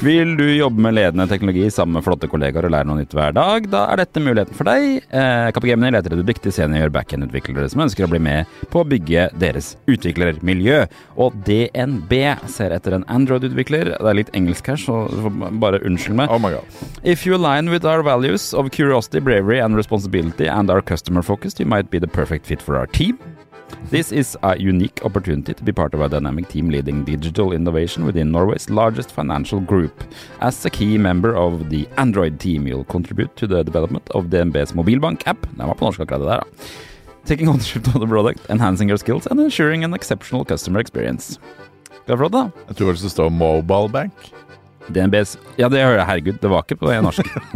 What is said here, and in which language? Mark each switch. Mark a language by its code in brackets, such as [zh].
[no] Vil du jobbe med ledende teknologi sammen med flotte kollegaer og lære noe nytt hver dag? Da er dette muligheten for deg. Capgemini leter etter dyktige senior backend-utviklere som ønsker å bli med på å bygge deres utviklermiljø. Og DNB ser etter en Android-utvikler. Det litt engelsk her, så bare unnskyld meg. [en] Oh my god. If you align with our values of curiosity, bravery and responsibility and are customer focused, you might be the perfect fit for our team. This is a unique opportunity to be part of a dynamic team leading digital innovation within Norway's largest financial group. As a key member of the Android team, you'll contribute to the development of DNB's mobilbank app. [no] Det var på norsk akkurat det der. [en] Taking ownership of the product, enhancing your skills, and ensuring an exceptional customer experience. [no] Skal jeg prøve det da? Jeg tror det står mobile bank. DNB's... Ja, det hører jeg. Herregud, det var ikke på det. Jeg er norsk.